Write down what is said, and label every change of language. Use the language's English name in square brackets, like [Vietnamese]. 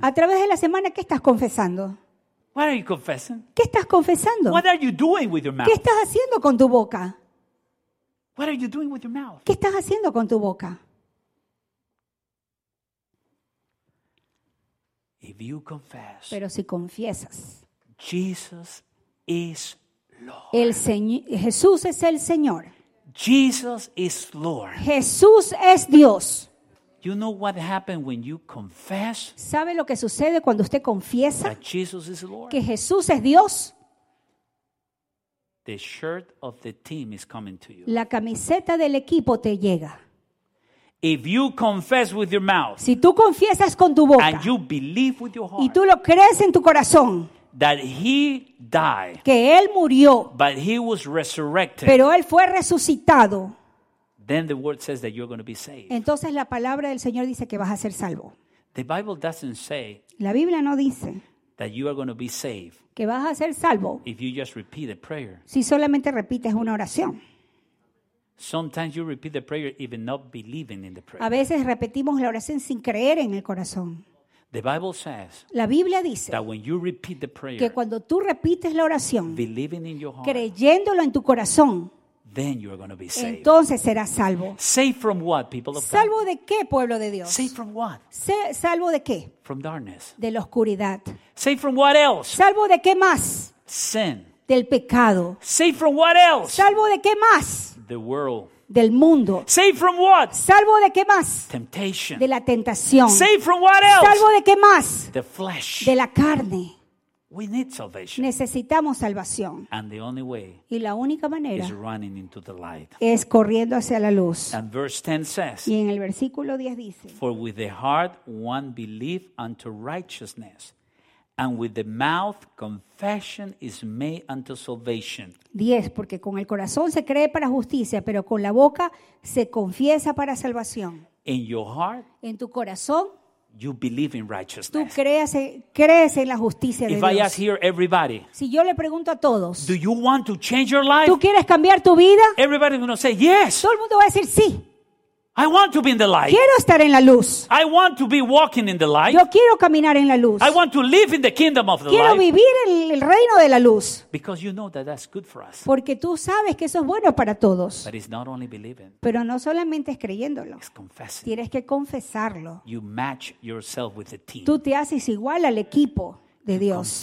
[Spanish] A través de la semana, ¿qué estás confesando? [English] What are you confessing? [Spanish] ¿Qué estás confesando? [English] What are you doing with your mouth? [Spanish] ¿Qué estás haciendo con tu boca? [English] What are you doing with your mouth? [Spanish] ¿Qué estás haciendo con tu boca? [English] If you confess, [Spanish] pero si confiesas, [English] Jesus is Lord. [Spanish] Jesús es el Señor. [English] Jesus is Lord. [Spanish] Jesús es Dios. [English] You know what happened when you confess? [Spanish] ¿Sabe lo que sucede cuando usted confiesa? [English] That Jesus is Lord. [Spanish] Que Jesús es Dios. [English] The shirt of the team is coming to you. [Spanish] La camiseta del equipo te llega. [English] If you confess with your mouth, [Spanish] si tú confiesas con tu boca, [English] and you believe with your heart, [Spanish] y tú lo crees en tu corazón, [English] that he died, [Spanish] que él murió, [English] but he was resurrected, [Spanish] pero él fue resucitado. [English] Then the word says that you're going to be saved. [Spanish] Entonces la palabra del Señor dice que vas a ser salvo. [English] The Bible doesn't say, [Spanish] la Biblia no dice, [English] that you are going to be saved, [Spanish] que vas a ser salvo, [English] if you just repeat a prayer, [Spanish] si solamente repites una oración. [English] Sometimes you repeat the prayer even not believing in the prayer. [Spanish] A veces repetimos la oración sin creer en el corazón. [English] The Bible says, [Spanish] la Biblia dice, [English] that when you repeat the prayer, [Spanish] que cuando tú repites la oración, [English] believing in your heart, [Spanish] creyéndolo en tu corazón, [English] then you are going to be saved. [Spanish] Entonces serás salvo. [English] Saved from what, people of God? [Spanish] ¿Salvo de qué, pueblo de Dios? [English] Saved from what? [Spanish] ¿Salvo de qué? [English] From darkness. [Spanish] De la oscuridad. [English] Saved from what else? [Spanish] ¿Salvo de qué más? [English] Sin. [Spanish] Del pecado. [English] Saved from what else? [Spanish] ¿Salvo de qué más? [English] The world. [Spanish] Del mundo. [English] Saved from what? [Spanish] ¿Salvo de qué más? [English] Temptation. [Spanish] De la tentación. [English] Saved from what else? [Spanish] ¿Salvo de qué más? [English] The flesh. [Spanish] De la carne. [English] We need salvation. [Spanish] Necesitamos salvación. [English] And the only way, [Spanish] y la única manera, [English] is running into the light, [Spanish] es corriendo hacia la luz. [English] And verse 10 says, [Spanish] y en el versículo 10 dice, [English] for with the heart one believes unto righteousness, and with the mouth confession is made unto salvation. [Spanish] 10, porque con el corazón se cree para justicia, pero con la boca se confiesa para salvación. [English] In your heart, [Spanish] en tu corazón, [English] you believe in righteousness. [Spanish] Tú crees en la justicia de [English] If [Spanish] Dios. [English] If I ask here everybody, [Spanish] si yo le pregunto a todos, [English] do you want to change your life? [Spanish] ¿Tú quieres cambiar tu vida? [English] Everybody's going to say yes. [Spanish] Todo el mundo va a decir sí. [English] I want to be in the light. [Spanish] Quiero estar en la luz. [English] I want to be walking in the light. [Spanish] Yo quiero caminar en la luz. [English] I want to live in the kingdom of the [Spanish] quiero [English] light. [Spanish] Quiero vivir en el reino de la luz. [English] Because you know that that's good for us. [Spanish] Porque tú sabes que eso es bueno para todos. [English] But it's not only believing. [Spanish] Pero no solamente es creyéndolo. [English] It's confessing. [Spanish] Tienes que confesarlo. [English] You match yourself with the team. [Spanish] Tú te haces igual al equipo de Dios.